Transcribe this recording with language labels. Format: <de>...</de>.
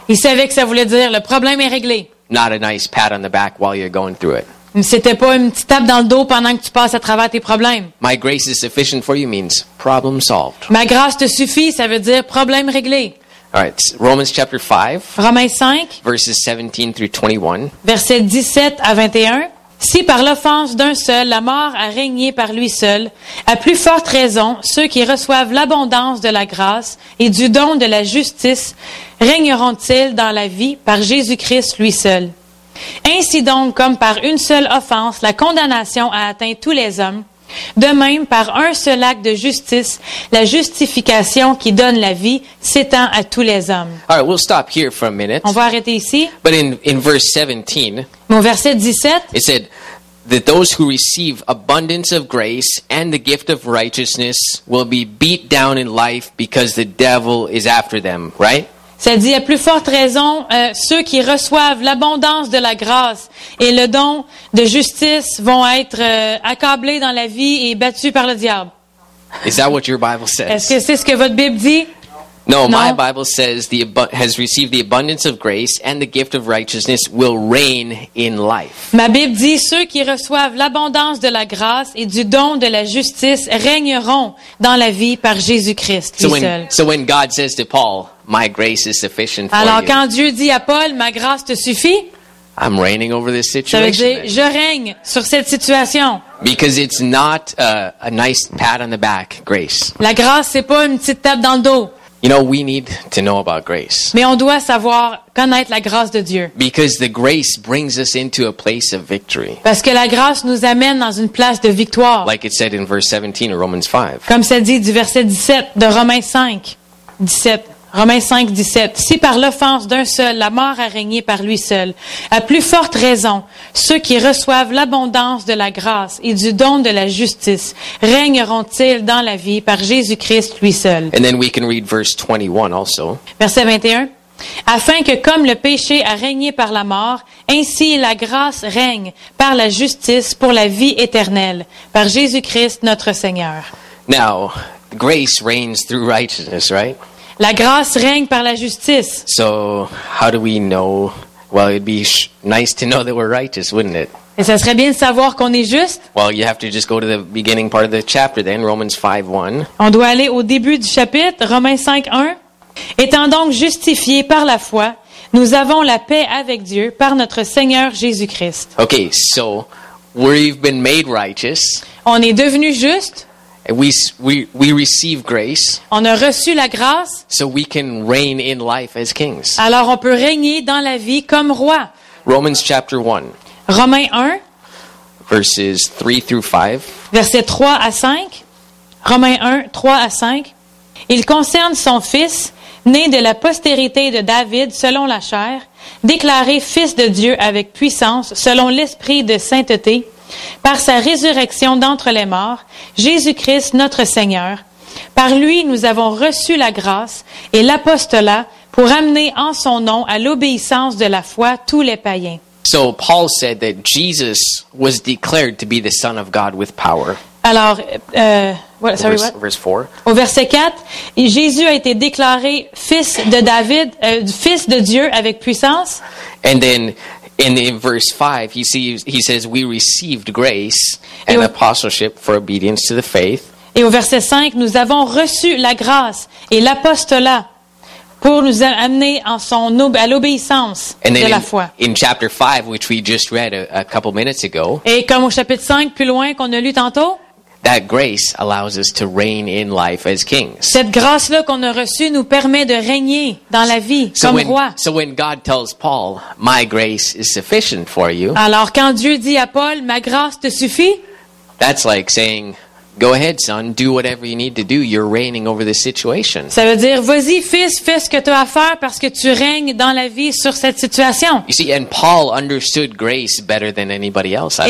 <fr>Il savait que ça voulait dire le problème est réglé.</fr> <en>Not a nice pat on the back while you're going through it.</en> <fr>C'était pas une petite tape dans le dos pendant que tu passes à travers tes problèmes.</fr> <en>My grace is sufficient for you means problem solved.</en> <fr>Ma grâce te suffit, ça veut dire problème réglé.</fr> <en>All right, Romans chapter 5.</en> <fr>Romains 5.</fr> <en>Verses 17 through 21.</en> <fr>Versets 17 à 21. Si par l'offense d'un seul la mort a régné par lui seul, à plus forte raison ceux qui reçoivent l'abondance de la grâce et du don de la justice régneront-ils dans la vie par Jésus-Christ lui seul. Ainsi donc, comme par une seule offense, la condamnation a atteint tous les hommes, de même, par un seul acte de justice, la justification qui donne la vie s'étend à tous les hommes.</fr> <en>All right, we'll stop here for a minute.</en> <fr>On va arrêter ici.</fr> <en>But in verse 17,</en> <fr>mon verset 17,</fr> <en>it said that those who receive abundance of grace and the gift of righteousness will be beat down in life because the devil is after them, right?</en> <fr>Ça dit, à plus forte raison, ceux qui reçoivent l'abondance de la grâce et le don de justice vont être accablés dans la vie et battus par le diable.</fr> <en>Is that what your Bible says?</en> <fr>Est-ce que c'est ce que votre Bible dit?</fr> <en>No,</en> <fr>non.</fr> <en>My Bible says the has received the abundance of grace and the gift of righteousness will reign in life.</en> <fr>Ma Bible dit ceux qui reçoivent l'abondance de la grâce et du don de la justice régneront dans la vie par Jésus-Christ lui seul.</fr> <en>So when God says to Paul, "My grace is sufficient for you."</en> <fr>Alors quand Dieu dit à Paul, "Ma grâce te suffit,"</fr> <en>I'm reigning over this situation.</en> <fr>Ça veut dire, je règne sur cette situation.</fr> <en>Because it's not a nice pat on the back, grace.</en> <fr>La grâce c'est pas une petite tape dans le dos.</fr> <en>You know, we need to know about grace.</en> <fr>Mais on doit savoir connaître la grâce de Dieu.</fr> <en>Because the grace brings us into a place of victory.</en> <fr>Parce que la grâce nous amène dans une place de victoire.</fr> <en>Like it said in verse 17 of Romans 5.</en> <fr>Comme ça dit du verset 17 de Romains 5. 17. Romains 5, 17. Si par l'offense d'un seul, la mort a régné par lui seul, à plus forte raison, ceux qui reçoivent l'abondance de la grâce et du don de la justice régneront-ils dans la vie par Jésus-Christ lui seul?</fr> <en>And then we can read verse 21 also.</en> <fr>Verset 21. Afin que comme le péché a régné par la mort, ainsi la grâce règne par la justice pour la vie éternelle, par Jésus-Christ notre Seigneur.</fr> <en>Now, grace reigns through righteousness, right?</en> <fr>La grâce règne par la justice.</fr> <en>So, how do we know? Well, it'd be nice to know that we're righteous, wouldn't it?</en> <fr>Et ça serait bien de savoir qu'on est juste.</fr> <en>Well, you have to just go to the beginning part of the chapter then, Romans 5:1.</en> <fr>On doit aller au début du chapitre, Romains 5:1. Étant donc justifiés par la foi, nous avons la paix avec Dieu par notre Seigneur Jésus-Christ.</fr> <en>Okay, so we've been made righteous.</en> <fr>On est devenu juste.</fr> <en>We receive grace.</en> <fr>On a reçu la grâce.</fr> <en>So we can reign in life as kings.</en> <fr>Alors on peut régner dans la vie comme roi.</fr> <en>Romans chapter 1.</en> <fr>Romains 1.</fr> <en>Verses 3 through 5.</en> <fr>Versets 3 à 5. Romains 1, 3 à 5. Il concerne son fils, né de la postérité de David selon la chair, déclaré fils de Dieu avec puissance selon l'esprit de sainteté, par sa résurrection d'entre les morts, Jésus-Christ notre Seigneur. Par lui, nous avons reçu la grâce et l'apostolat pour amener en son nom à l'obéissance de la foi tous les païens.</fr> <en>So Paul said that Jesus was declared to be the Son of God with power.</en> <fr>Alors,</fr> <en>verse 4.</en> <fr>Au verset 4, Jésus a été déclaré fils de David, fils de Dieu avec puissance.</fr> <en>And then, in verse 5, he says, we received grace and apostleship for obedience to the faith.</en> <fr>Et au verset 5, nous avons reçu la grâce et l'apostolat pour nous amener en son à l'obéissance</fr> <en>and</en> <fr>de</fr> <en>then</en> <fr>la</fr> <en>in,</en> <fr>foi.</fr> <en>In chapter 5, which we just read a couple minutes ago.</en> <fr>Et comme au chapitre 5, plus loin qu'on a lu tantôt.</fr> <en>That grace allows us to reign in life as kings.</en> <fr>Cette grâce-là qu'on a reçue nous permet de régner dans la vie comme roi.</fr> <en>So when God tells Paul, "My grace is sufficient for you."</en> <fr>Alors quand Dieu dit à Paul, "Ma grâce te suffit."</fr> <en>That's like saying, Go ahead, son. Do whatever you need to do. You're reigning over the situation.</en> <fr>Ça veut dire, vas-y, fils, fais ce que tu as à faire parce que tu règnes dans la vie sur cette situation.</fr> <en>You see, and Paul understood grace better than anybody else, I</en>